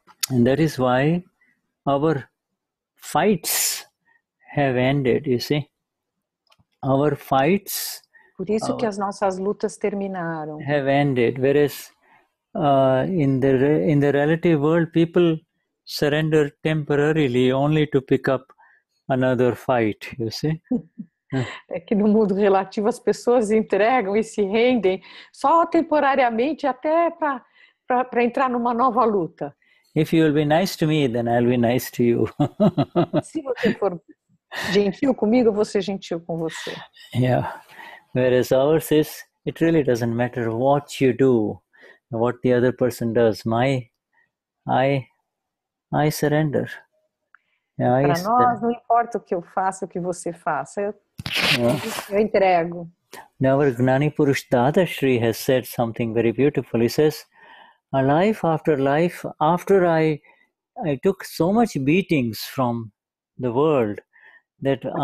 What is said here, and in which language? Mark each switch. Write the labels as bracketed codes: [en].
[en] And that is why our fights have ended, you see. Our fights... [pt] Por isso que as nossas lutas terminaram. [en] Have ended. Whereas in the relative world, people surrender temporarily only to pick up another fight, you see? [pt] É que no mundo relativo as pessoas entregam e se rendem só temporariamente até para entrar numa nova luta. [en] If you will be nice to me, then I'll be nice to you. [pt] Se você for gentil comigo, eu vou ser gentil com você. [en] Yeah. Whereas ours is, it really doesn't matter what you do, what the other person does. I surrender. [pt] Para nós, não importa o que eu faça, o que você faça. Eu entrego. [en] Now, our Gnani Purush Dadashri has said something very beautiful. He says, a life, after I took so much beatings from the world, that